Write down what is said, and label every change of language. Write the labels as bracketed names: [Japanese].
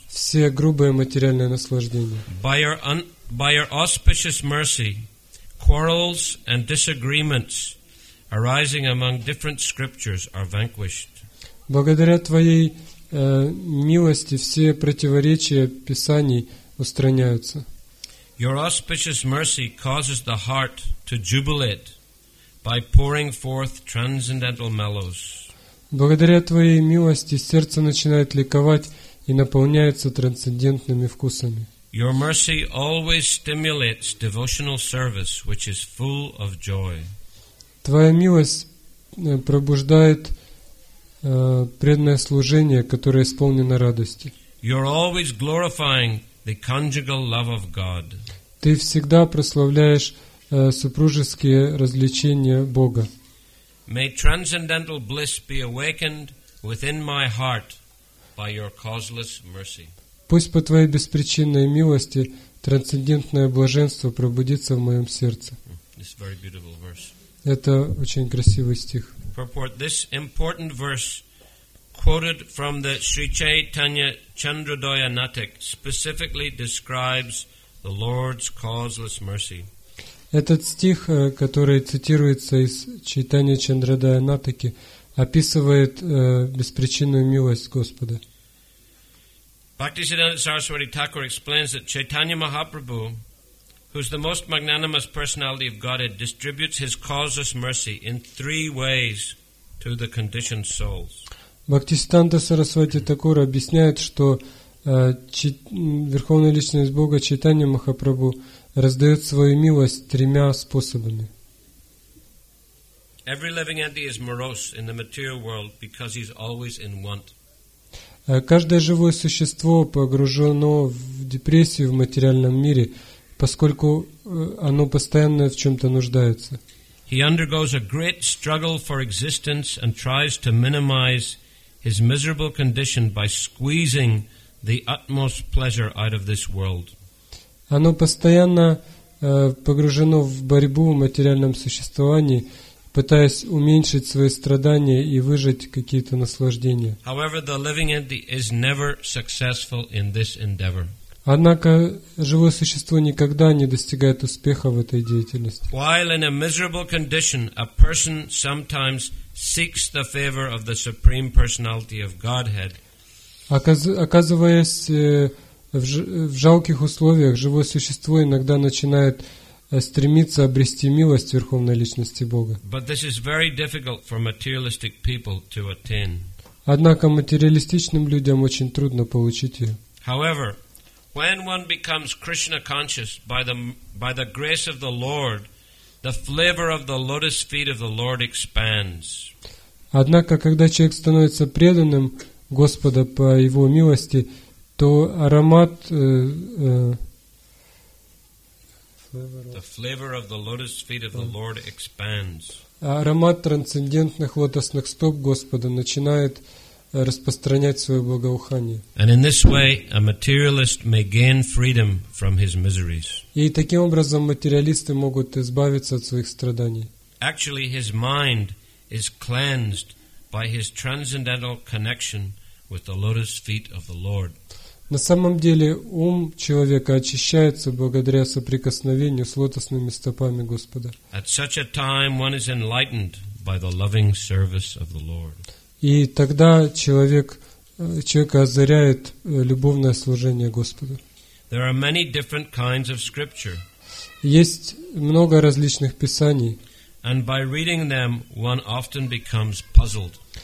[Russian] Все грубые материальные наслаждения. [English] By your auspicious mercy, quarrels and disagreements arising among different scriptures are vanquished. [Russian] Благодаря твоей милости все противоречия писаний устраняются. [English] Your auspicious mercy causes the heart to jubilate by pouring forth transcendental mellows. [Russian] Благодаря твоей милости сердце начинает ликовать и наполняется трансцендентными вкусами. [English] Your mercy always stimulates devotional service, which is full of joy. [Russian] Твоя милость пробуждает преданное служение, которое исполнено радости. [English] You're always glorifying the conjugal love of God. [Russian] Ты всегда прославляешь супружеские развлечения Бога. [English] May transcendental bliss be awakened within my heart by your causeless mercy. [Russian] Пусть по твоей беспричинной милости трансцендентное блаженство пробудится в моем сердце. [English] This very beautiful verse. [Russian] Это очень красивый стих. [English] Purport this important verse quoted from the Sri Chaitanya Chandradaya Natak specifically describes the Lord's causeless mercy. [Russian] Этот стих, который цитируется из Чайтаньи Чандрадая Натаки, описывает беспричинную милость Господа. [English] Bhaktisiddhanta Saraswati Thakur explains that Chaitanya Mahaprabhu, who is the most magnanimous personality of Godhead, distributes his causeless mercy in three ways to the conditioned souls. [Russian] Bhaktisiddhanta Saraswati Thakur объясняет, что Верховная Личность Бога Чайтанья Махапрабху раздает свою милость тремя способами. [English] Every living entity is morose in the material world because he's always in want. [Russian] Каждое живое существо погружено в депрессию в материальном мире, поскольку оно постоянно в чем-то нуждается. [English] He undergoes a great struggle for existence and tries to minimize his miserable condition by squeezing the utmost pleasure out of this world. [Russian] Оно постоянно погружено в борьбу в материальном существовании, пытаясь уменьшить свои страдания и выжать какие-то наслаждения. [English] However, the living entity is never successful in this endeavor. [Russian] Однако живое существо никогда не достигает успеха в этой деятельности. [English] While in a miserable condition, a person sometimes seeks the favor of the Supreme Personality of Godhead. [Russian] Оказываясь в жалких условиях, живое существо иногда начинает стремиться обрести милость Верховной Личности Бога. [English] But this is very difficult for materialistic people to attain. [Russian] Однако материалистичным людям очень трудно получить ее. [English] However, when one becomes Krishna conscious by the grace of the Lord, the flavor of the lotus feet of the Lord expands. [Russian] Однако, когда человек становится преданным Господа по Его милости, то аромат аромат трансцендентных лотосных стоп Господа начинает распространять свое благоухание. [English] And in this way, a materialist may gain freedom from his miseries. [Russian] И таким образом материалисты могут избавиться от своих страданий. [English] Actually, his mind is cleansed by his transcendental connection with the lotus feet of the Lord. [Russian] На самом деле ум человека очищается благодаря соприкосновению с лотосными стопами Господа. [English] At such a time, one is enlightened by the loving service of the Lord. [Russian] И тогда человека озаряет любовное служение Господу. [English] There are many different kinds of scripture. [Russian] Есть много различных писаний. [English] And by reading them, one often becomes puzzled.